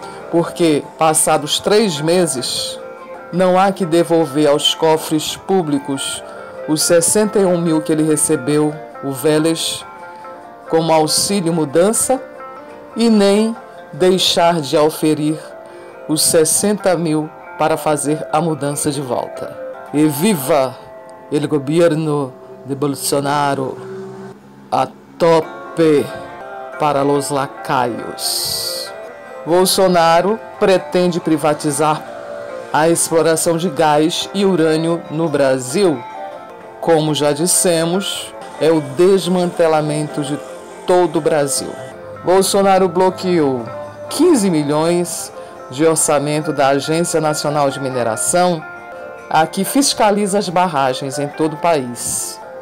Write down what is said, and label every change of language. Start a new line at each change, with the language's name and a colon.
Portuguese: Porque passados 3 meses, não há que devolver aos cofres públicos os 61 mil que ele recebeu, o Vélez, como auxílio mudança, e nem deixar de auferir os 60 mil para fazer a mudança de volta.
Spanish: E viva el gobierno de Bolsonaro, a tope para los lacaios.
Portuguese: Bolsonaro pretende privatizar a exploração de gás e urânio no Brasil. Como já dissemos, é o desmantelamento de todo o Brasil. Bolsonaro bloqueou 15 milhões de orçamento da Agência Nacional de Mineração, a que fiscaliza as barragens em todo o país.